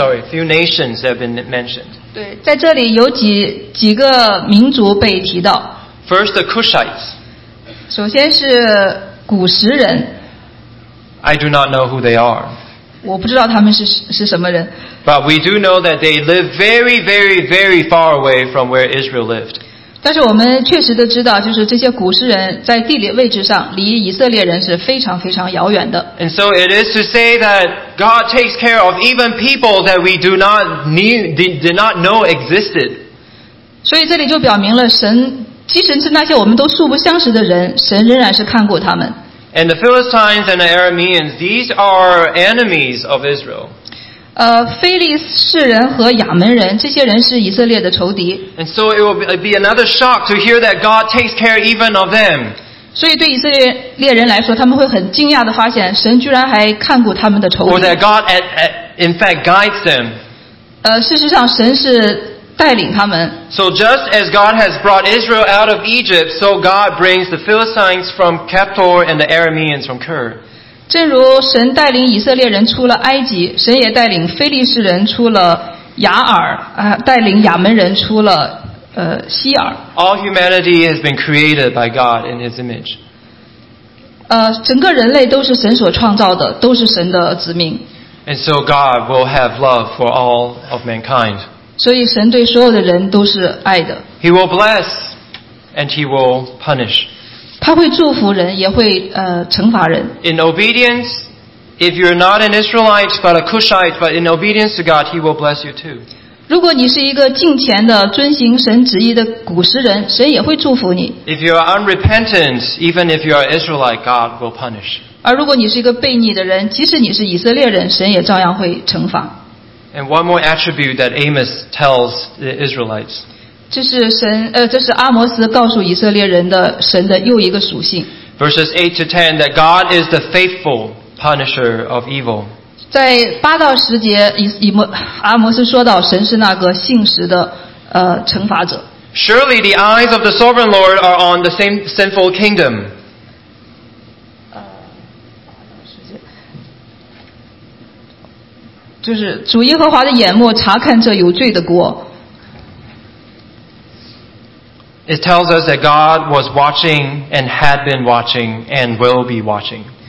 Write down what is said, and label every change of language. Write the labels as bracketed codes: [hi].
[en] Few nations that have been mentioned. [zh] 对，在这里有几个民族被提到。 [en] First, the Cushites. [zh] 首先是古实人。 [en] I do not know who they are. [zh] 我不知道他们是什么人。 [en] But we do know that they live very, very, very far away from where Israel lived. [zh] 但是我们确实都知道，就是这些古实人在地理位置上离以色列人是非常非常遥远的。 [en] And so it is to say that God takes care of even people that we do not did not know existed. [zh] 所以这里就表明了神。即使是那些我们都素不相识的人，神仍然是看过他们。 [en] And the Philistines and the Arameans, these are enemies of Israel. [zh] 非利士人和亚门人，这些人是以色列的仇敌。 [en] And so it will be another shock to hear that God takes care even of them. [zh] 所以对以色列人来说，他们会很惊讶地发现，神居然还看过他们的仇敌。 [en] Or that God in fact guides them. [zh] 事实上神是带领他们。 [en] So just as God has brought Israel out of Egypt, so God brings the Philistines from Captor and the Arameans from Kir. [zh] 正如神带领以色列人出了埃及，神也带领非利士人出了雅尔，带领亚门人出了西尔。 [en] All humanity has been created by God in His image. [zh] 整个人类都是神所创造的，都是神的子民。 [en] And so God will have love for all of mankind. [zh] 所以神对所有的人都是爱的。 [en] He will bless and he will punish. [zh] 他会祝福人，也会惩罚人。 [en] In obedience, if you're not an Israelite but a Cushite, but in obedience to God, he will bless you too. [zh] 如果你是一个敬虔的、遵行神旨意的古实人，神也会祝福你。 [en] If you are unrepentant, even if you are Israelite, God will punish. [zh] 而如果你是一个悖逆的人，即使你是以色列人，神也照样会惩罚。 [en] And one more attribute that Amos tells the Israelites. [zh] 这是阿摩斯告诉以色列人的神的又一个属性。 [en] Verses 8 to 10, that God is the faithful punisher of evil. [zh] 在八到十节，阿摩斯说到神是那个信实的惩罚者。 [en] Surely the eyes of the sovereign Lord are on the same sinful kingdom. [zh] 就是主耶和华的眼目查看这有罪的国。 [en] It tells us that God was watching and had been watching and will be watching.